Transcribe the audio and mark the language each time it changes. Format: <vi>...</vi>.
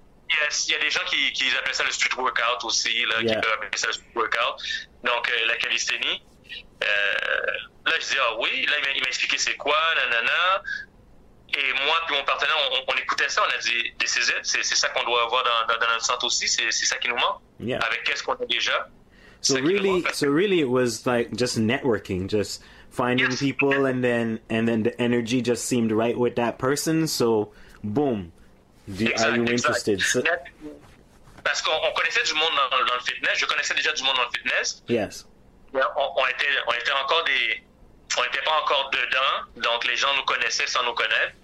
<fr>Yes, il y a des gens qui appellent ça le street workout aussi, là, yeah. Qui peuvent appeler ça le street workout. Donc, la calisthénie. Là, je dis, ah oui. Là, il m'a expliqué c'est quoi, nanana. Et moi puis mon partenaire, on écoutait ça. On a dit, des CZ, c'est ça qu'on doit avoir dans notre centre aussi. C'est ça qui nous manque.</fr> <en>Yeah.</en> <fr>Avec qu'est-ce qu'on a déjà.</fr> <en>So really, it was like just networking, just finding yes. people, and then the energy just seemed right with that person. So, boom, are you interested?</en> <fr>Exact. Parce qu'on connaissait du monde dans le fitness. Je connaissais déjà du monde dans le fitness.</fr> <en>Yes.</en> <fr>On était pas encore dedans, donc les gens nous connaissaient sans nous connaître.</fr>